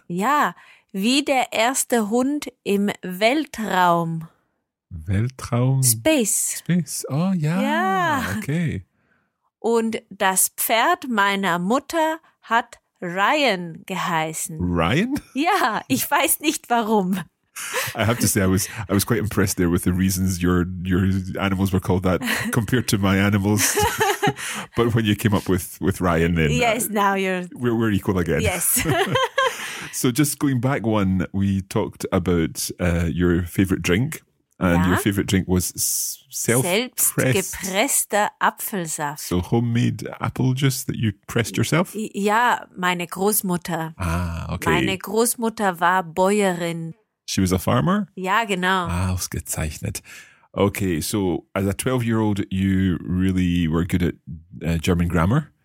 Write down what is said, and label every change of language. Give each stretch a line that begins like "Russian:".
German: Ja, wie der erste Hund im Weltraum. Weltraum?
English: Space.
German: Space, oh ja. Ja. Okay. Und das Pferd meiner Mutter hat Ryan geheißen. Ryan? Ja, ich weiß nicht warum.
English: I have to say, I was quite impressed there with the reasons your animals were called that compared to my animals. But when you came up with Ryan, then yes, now you're we're equal again. Yes. So just going back one, we talked about your favorite drink, and your favorite drink was
German: selbstgepresster Apfelsaft.
English: So homemade apple juice that you pressed yourself?
German: Ja, meine Großmutter.
English: Ah, okay.
German: Meine Großmutter war Bäuerin.
English: She was a farmer?
German: Ja, genau. Ah, ausgezeichnet.
English: Okay, so as a 12-year-old, you really were good at German grammar?